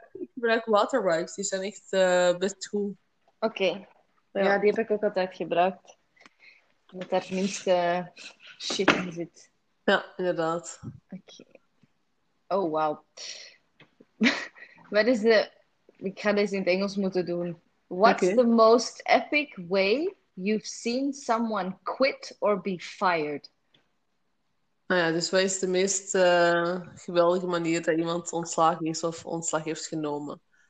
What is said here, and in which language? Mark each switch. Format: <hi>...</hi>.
<nl>Ik gebruik waterwipes, die zijn echt best goed. Oké. Okay. Ja, Ja. die heb ik ook altijd gebruikt. Omdat daar minste shit in zit. Ja, inderdaad. Oké. Okay. Oh, wow. Wat is de. Ik ga deze in het Engels moeten doen.</nl> <en>What's</en> <nl>Oké.</nl> <en>the most epic way you've seen someone quit or be fired?</en> <nl>Nou ja, dus wat is de meest geweldige manier dat iemand ontslagen is of ontslag heeft genomen?</nl>